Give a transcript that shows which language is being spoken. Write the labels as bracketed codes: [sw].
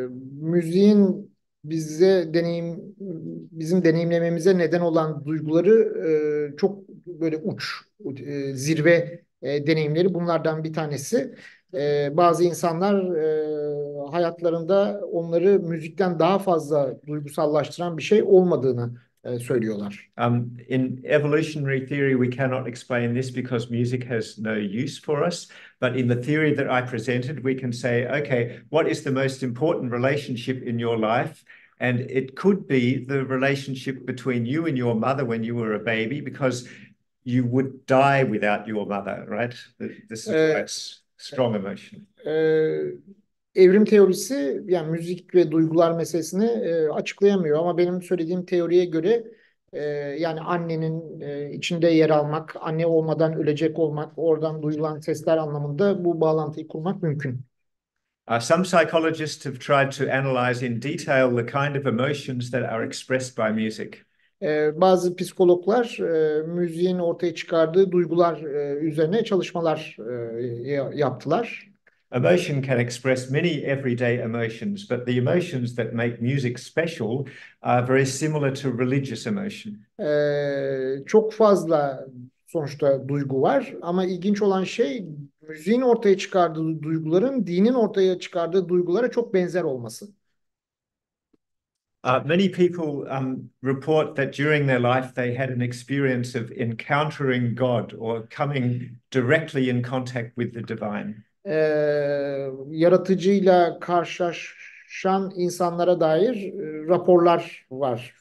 [tr] Müziğin bize bizim deneyimlememize neden olan duyguları çok böyle uç, zirve deneyimleri bunlardan bir tanesi. Bazı insanlar hayatlarında onları müzikten daha fazla duygusallaştıran bir şey olmadığını söylüyorlar. [en] In evolutionary theory we cannot explain this because music has no use for us, but in the theory that I presented we can say, okay, what is the most important relationship in your life? And it could be the relationship between you and your mother when you were a baby, because you would die without your mother, right? This is quite strong emotion. [tr] Evrim teorisi, yani müzik ve duygular meselesini açıklayamıyor. Ama benim söylediğim teoriye göre, yani annenin içinde yer almak, anne olmadan ölecek olmak, oradan duyulan sesler anlamında bu bağlantıyı kurmak mümkün. [en] Some psychologists have tried to analyze in detail the kind of emotions that are expressed by music. [tr] Bazı psikologlar müziğin ortaya çıkardığı duygular üzerine çalışmalar yaptılar. [en] Emotion can express many everyday emotions, but the emotions that make music special are very similar to religious emotion. [tr] Çok fazla sonuçta duygu var ama ilginç olan şey müziğin ortaya çıkardığı duyguların dinin ortaya çıkardığı duygulara çok benzer olması. [en] Many people report that during their life they had an experience of encountering God or coming directly in contact with the divine. [tr] Yaratıcıyla karşılaşan insanlara dair raporlar var.